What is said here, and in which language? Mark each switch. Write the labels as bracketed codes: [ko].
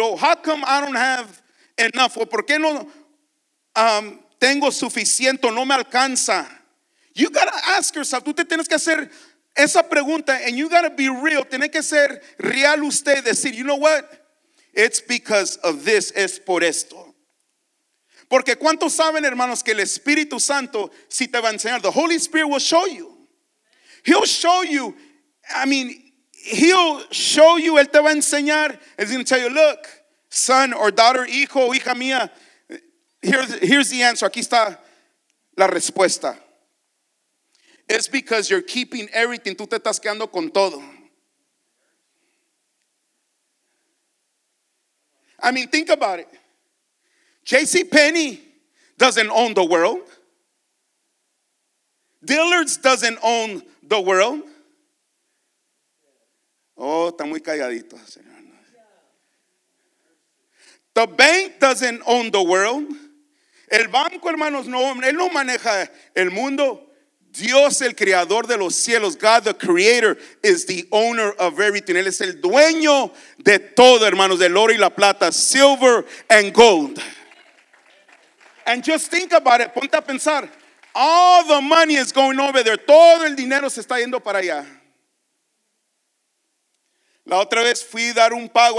[en] Oh, how come I don't have enough? [es] O ¿por qué no tengo suficiente? No me alcanza. [en] You gotta ask yourself. [es] Tú te tienes que hacer esa pregunta. [en] And you gotta be real. [es] Tiene que ser real usted. Decir, [en] you know what? It's because of this. [es] Es por esto. Porque ¿cuántos saben, hermanos, que el Espíritu Santo sí te va a enseñar? [en] The Holy Spirit will show you. He'll show you. I mean, he'll show you. [es] Él te va a enseñar. [en] He's going to tell you, look, son or daughter, [es] hijo o hija mía, [en] here's the answer. [es] Aquí está la respuesta. [en] It's because you're keeping everything. [es] Tú te estás quedando con todo. [en] I mean, think about it. JCPenney doesn't own the world. Dillard's doesn't own the world. [es] Oh, está muy calladito, señor. [en] The bank doesn't own the world. [es] El banco, hermanos, no, él no maneja el mundo. Dios, el creador de los cielos, [en] God the creator, is the owner of everything. [es] Él es el dueño de todo, hermanos, del oro y la plata, [en] silver and gold. And just think about it. [es] Ponte a pensar. [en] All the money is going over there. [es] Todo el dinero se está yendo para allá. La otra vez fui a dar un pago.